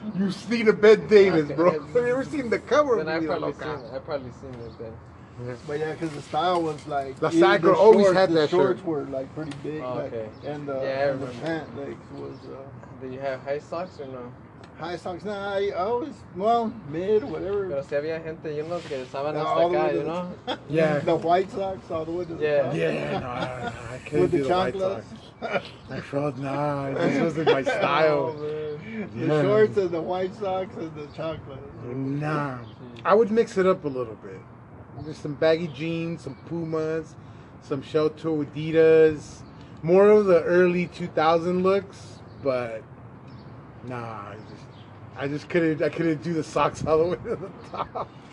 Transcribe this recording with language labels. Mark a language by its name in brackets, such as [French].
[English] You've seen a Bette Davis, bro. Have you ever seen the cover of Mi Vida Loca? I've probably seen it then. Yeah. But yeah, because the style was like the Sagra always had that shorts shirt. Were like pretty big, and the pant legs was. Did you have high socks or no? High socks, nah. I always mid whatever. [Spanish] Pero si había gente, you know, que estaban hasta acá, you know. [English] Yeah. The white socks all the way to the top. Yeah, no, I couldn't with do the white socks. I felt this wasn't my style. Oh, man. The shorts and the white socks and the chocolates. Nah, I would mix it up a little bit. There's some baggy jeans, some Pumas, some shell toe Adidas, more of the early 2000 looks, but nah, I just couldn't do the socks all the way to the top.